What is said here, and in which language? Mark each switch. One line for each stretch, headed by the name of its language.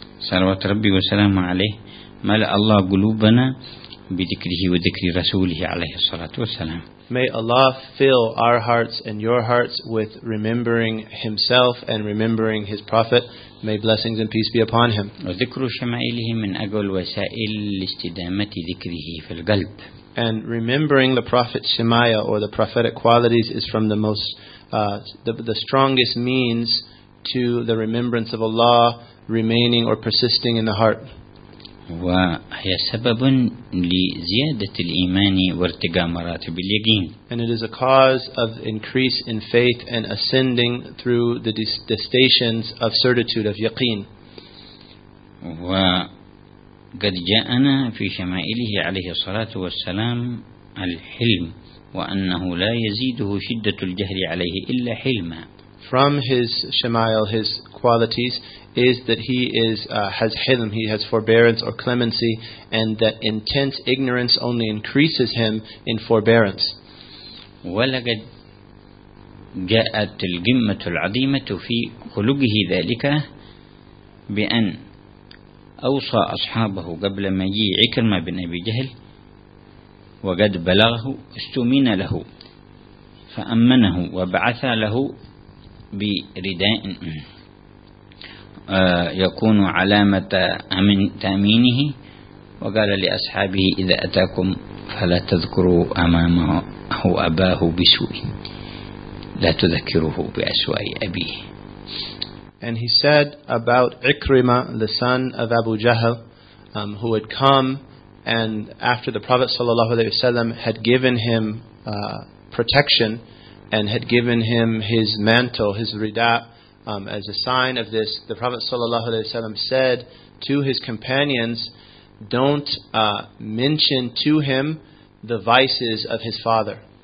Arabic: صلوات ربي وسلام عليه ملأ الله قلوبنا بذكره وذكر رسوله عليه الصلاة والسلام.
English: May Allah fill our hearts and your hearts with remembering Himself and remembering His Prophet. May blessings and peace be upon Him.
Arabic: وذكر شمائله من أقوى الوسائل لاستدامة ذكره في القلب.
English: And remembering the Prophet's Shema'il or the prophetic qualities is from the most the strongest means to the remembrance of Allah remaining or persisting in the heart.
Arabic: وهي سبب لزيادة الإيمان وارتقاء مراتب اليقين.
English: And it is a cause of increase in faith and ascending through the stations of certitude of yaqeen.
Arabic: وقد جاءنا في شمائله عليه الصلاة والسلام الحلم وأنه لا يزيده شدة الجهر عليه إلا حلما.
English: From his shema'il, his qualities, is that he is has hilm, he has forbearance or clemency, and that intense ignorance only increases him in forbearance.
Arabic: ولقد جاءت القمة العظيمة في خلقه ذلك بأن أوصى أصحابه قبل مجيء عكرمة بن أبي جهل وقد بلغه استمين له فأمنه وبعث له برداء يكون علامة تأمينه وقال لأصحابه إذا أتاكم فلا تذكروا أمامه أباه بسوء لا تذكروه بأسوء أبيه.
English: And he said about Ikrima, the son of Abu Jahl, who had come and after the Prophet sallallahu alaihi wasallam had given him protection and had given him his mantle, his ridah, as a sign of this, the Prophet sallallahu alaihi wasallam said to his companions, don't mention to him the vices of his father.